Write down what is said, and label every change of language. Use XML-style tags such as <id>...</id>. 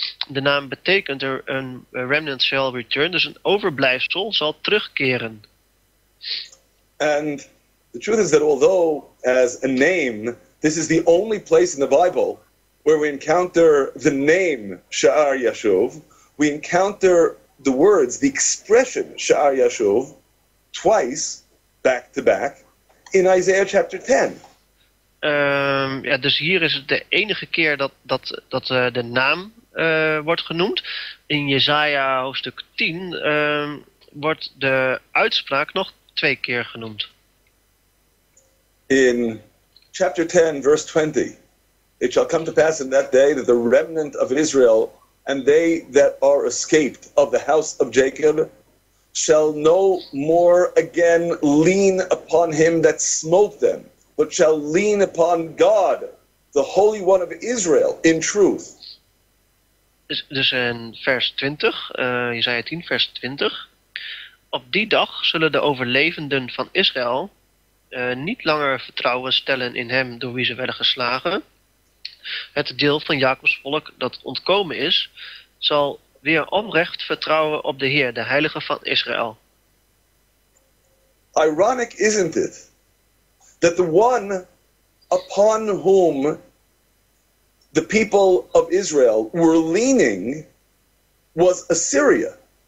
<nl>De naam betekent een</nl> <en>remnant shall return,</en> <nl>dus een overblijfsel zal terugkeren.</nl> <en>And the truth is that although as a name, this is the only place in the Bible where we encounter the name Sha'ar Yashuv, we encounter the words, the expression Sha'ar Yashuv, twice, back to back, in Isaiah chapter 10.</en> <nl>Dus hier is het de enige keer dat de naam wordt genoemd. In Jesaja hoofdstuk 10 wordt de uitspraak nog twee keer genoemd.</nl> <en>In chapter 10, verse 20, it shall come to pass in that day that the remnant of Israel and they that are escaped of the house of Jacob shall no more again lean upon him that smote them, but shall lean upon God, the Holy One of Israel, in truth.</en> <nl>Dus in vers 20, Jesaja 10, vers 20. Op die dag zullen de overlevenden van Israël niet langer vertrouwen stellen in hem door wie ze werden geslagen. Het deel van Jacobs volk dat ontkomen is, zal weer oprecht vertrouwen op de Heer, de Heilige van Israël.</nl> <en>Ironic, isn't it? That the one upon whom the people of Israel were leaning was Assyria.</en>